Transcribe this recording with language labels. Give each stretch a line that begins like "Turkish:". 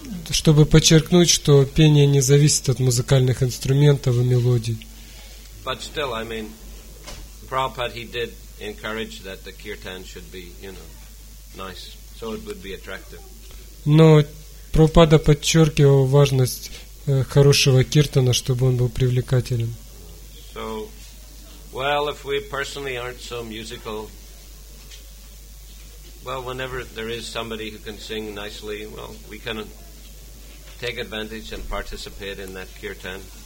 Russian: Чтобы подчеркнуть, что пение не зависит от музыкальных инструментов и мелодий.
English: But still, I mean, Prabhupada, he did encourage that the kirtan should be, you know, nice, so it would be attractive.
Russian: Но Прабхупада подчеркивал важность хорошего киртана, чтобы он был привлекателен.
English: So, well, if we personally aren't so musical, well, whenever there is somebody who can sing nicely, well, we can take advantage and participate in that kirtan.